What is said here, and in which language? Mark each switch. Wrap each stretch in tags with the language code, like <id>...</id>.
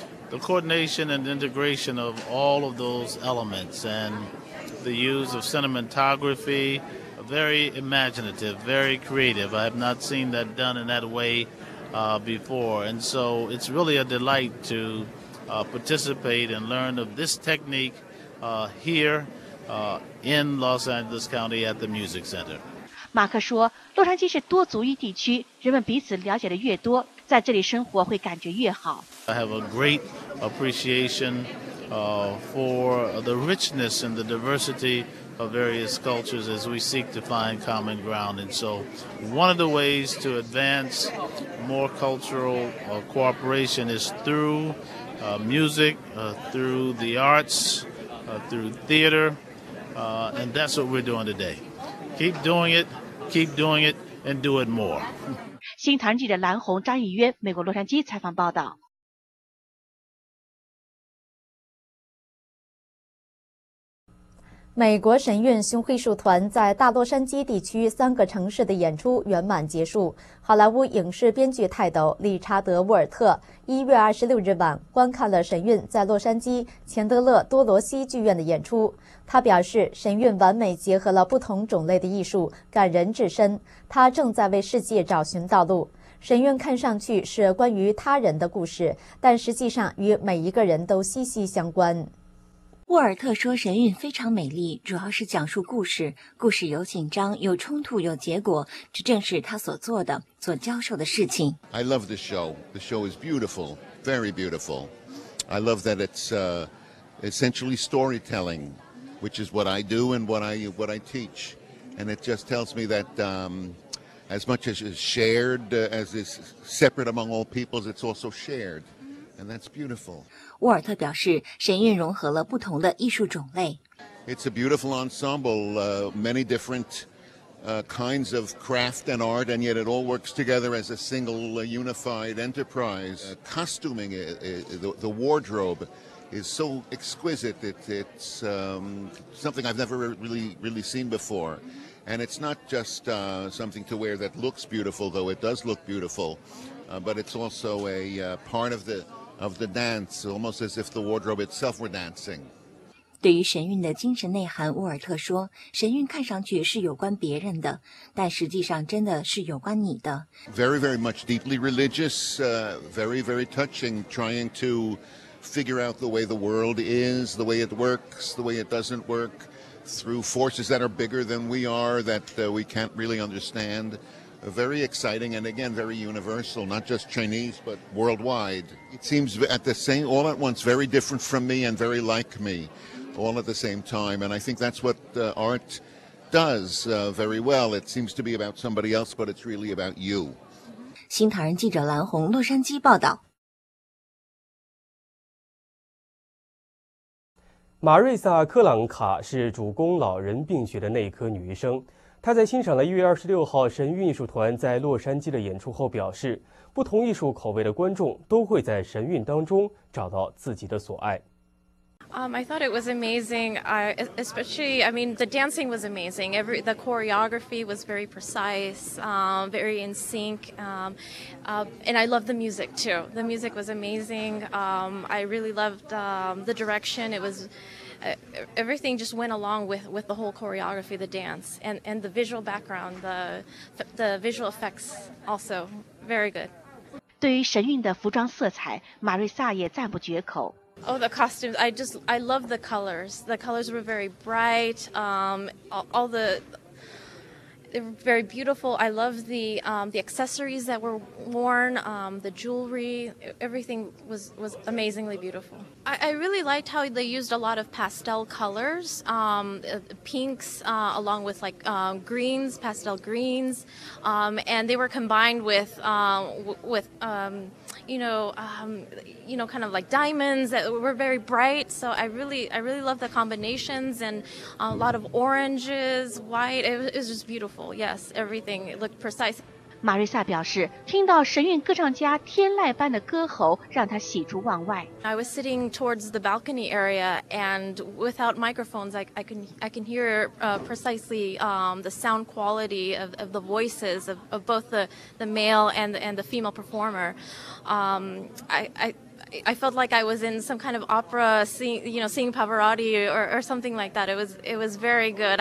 <en>The coordination and integration of all of those elements and the use of cinematography, very imaginative, very creative. I have not seen that done in that way before. And so it's really a delight to participate and learn of this technique here in Los Angeles County at the Music Center.</en> <zh>马克说，洛杉矶是多族裔地区，人们彼此了解的越多，在这里生活会感觉越好。</zh> <en>I have a great appreciation for the richness and the diversity of various cultures as we seek to find common ground. And so one of the ways to advance more cultural cooperation is through music, through the arts, through theater, and that's what we're doing today. Keep doing it, and do it more.</en> <zh>新唐人记者蓝红、张以渊，美国洛杉矶采访报道。美国神韵熊黑术团在大洛杉矶地区三个城市的演出圆满结束。好莱坞影视编剧泰斗理查德·沃尔特1月26日晚观看了神韵在洛杉矶钱德勒多罗西剧院的演出。他表示，神韵完美结合了不同种类的艺术，感人至深。他正在为世界找寻道路。神韵看上去是关于他人的故事，但实际上与每一个人都息息相关。沃尔特说，神韵非常美丽，主要是讲述故事，故事有紧张，有冲突，有结果，这正是他所做的，所教授的事情。</zh> <en>I love the show. The show is beautiful, very beautiful. I love that it's essentially storytelling, which is what I do and what I teach. And it just tells me that as much as is shared, as is separate among all peoples, it's also shared. And that's beautiful.</en> <zh>沃尔特表示，神韵融合了不同的艺术种类。</zh> <en>It's a beautiful ensemble, many different kinds of craft and art, and yet it all works together as a single unified enterprise. Costuming, the wardrobe, is so exquisite. It's something I've never really seen before, and it's not just something to wear that looks beautiful, though it does look beautiful, but it's also a part of the dance, almost as if the wardrobe itself were dancing.</en> <zh>对于神韵的精神内涵，沃尔特说，神韵看上去是有关别人的，但实际上真的是有关你的。</zh> <en>Very, very much deeply religious, very, very touching, trying to figure out the way the world is, the way it works, the way it doesn't work, through forces that are bigger than we are, that we can't really understand. Very exciting and again very universal, not just Chinese but worldwide. It seems at the same, all at once, very different from me and very like me, all at the same time. And I think that's what art does very well. It seems to be about somebody else, but it's really about you.</en> <zh>新唐人记者蓝红，洛杉矶报道。玛瑞萨·克朗卡是主攻老人病学的内科女医生。他在欣赏了1月26号神韵艺术团在洛杉矶的演出后表示，不同艺术口味的观众都会在神韵当中找到自己的所爱。</zh> <en>I thought it was amazing. Especially, the dancing was amazing. The choreography was very precise, very in sync. And I loved the music too. The music was amazing. I really loved the direction. It was... everything just went along with the whole choreography, the dance, and the visual background, the visual effects also. Very good.</en> <zh>对于神韵的服装色彩，马瑞萨也赞不绝口。</zh> <en>Oh, the costumes. I love the colors. The colors were very bright. They're very beautiful. I love the accessories that were worn, the jewelry. Everything was amazingly beautiful. I really liked how they used a lot of pastel colors, pinks along with like greens, pastel greens, and they were combined with kind of like diamonds that were very bright. So I really love the combinations and a lot of oranges, white. It was just beautiful. Yes, everything looked precise.</en> <zh>玛瑞萨表示，听到神韵歌唱家天籁般的歌喉，让她喜出望外。</zh> <en>I was sitting towards the balcony area, and without microphones, I can hear precisely the sound quality of the voices of both the male and the female performer. I felt like I was in some kind of opera, seeing Pavarotti or something like that. It was very good.</en>